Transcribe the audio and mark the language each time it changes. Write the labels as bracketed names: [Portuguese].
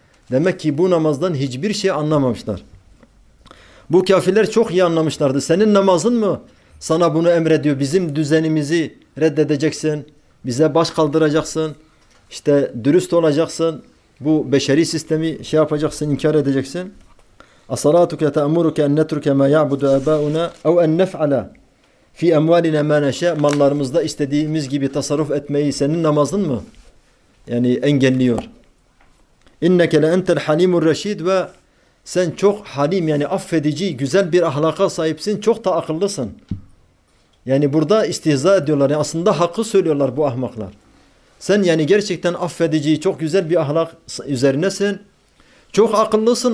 [Turkish] Demek ki bu namazdan hiçbir şey anlamamışlar. Bu kafirler çok iyi anlamışlardı. Senin namazın mı sana bunu emrediyor? Bizim düzenimizi reddedeceksin. Bize baş kaldıracaksın. İşte dürüst olacaksın. Bu beşeri sistemi şey yapacaksın, inkar edeceksin. [Arabic] أَصَلَاتُكَ تَأْمُرُكَ اَنْ نَتْرُكَ مَا يَعْبُدُ اَبَاؤُنَا اَوْ اَنْ نَفْعَلَى فِي اَمْوَالِنَا مَا نَشَى [Turkish] Mallarımızda istediğimiz gibi tasarruf etmeyi senin namazın mı yani engelliyor? [Arabic] اِنَّكَ لَاَنْتَ الْحَلِيمُ الرَّشِيدُ [Turkish] Ve sen çok halim, yani affedici, güzel bir ahlaka sahipsin, çok da akıllısın. Yani burada istihza ediyorlar. Yani aslında hakkı söylüyorlar bu ahmaklar. Sen yani gerçekten affedici, çok güzel bir ahlak üzerinesin. Çok akıllısın.